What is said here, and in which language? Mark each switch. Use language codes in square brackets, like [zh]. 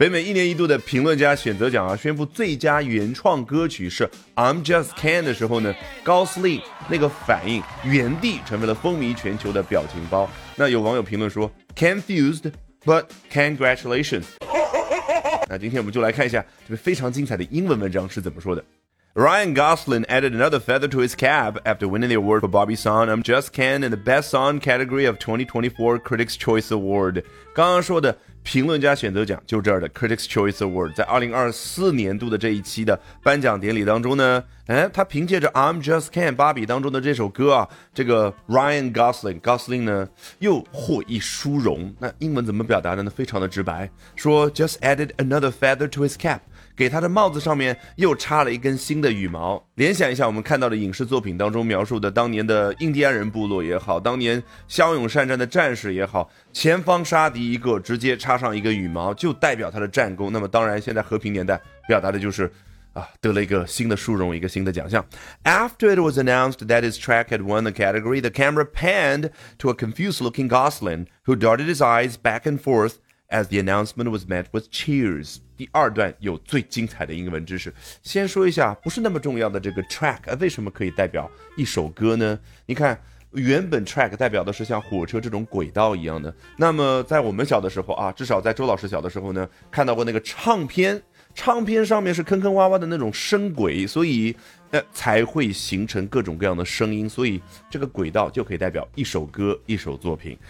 [zh] 北美一年一度的评论家选择奖啊，宣布最佳原创歌曲是 I'm Just Ken 的时候呢，高司令那个反应原地成为了风靡全球的表情包。那有网友评论说 [en] Confused but congratulations。 [zh] 那今天我们就来看一下这边非常精彩的英文文章是怎么说的。 [en] Ryan Gosling added another feather to his cap after winning the award for Bobby's song I'm Just Ken in the Best Song category of 2024 Critics' Choice Award. [zh] 刚刚说的评论家选择奖就这儿的 Critics' Choice Award 在2024年度的这一期的颁奖典礼当中呢，他凭借着 I'm Just Ken 芭比当中的这首歌啊，这个 Ryan Gosling 呢又获一殊荣。那英文怎么表达的呢？非常的直白，说 [en] Just added another feather to his cap， [zh] 给他的帽子上面又插了一根新的羽毛。联想一下我们看到的影视作品当中描述的当年的印第安人部落也好，当年骁勇善战的战士也好，前方杀敌一个直接插上一个羽毛就代表他的战功。那么当然现在和平年代表达的就是啊，得了一个新的殊荣，一个新的奖项。 [en] After it was announced that his track had won the category, the camera panned to a confused looking Gosling who darted his eyes back and forthAs the announcement was met with cheers. [zh] 第二段有最精彩的英文知识。先说一下不是那么重要的这个 track 为什么可以代表一首歌呢？你看原本 track 代表的是像火车这种轨道一样的。那么在我们小的时候啊，至少在周老师小的时候呢，看到过那个唱片，唱片上面是坑坑洼洼的那种声轨，所以才会形成各种各样的声音，所以这个轨道就可以代表一首歌，一首作品。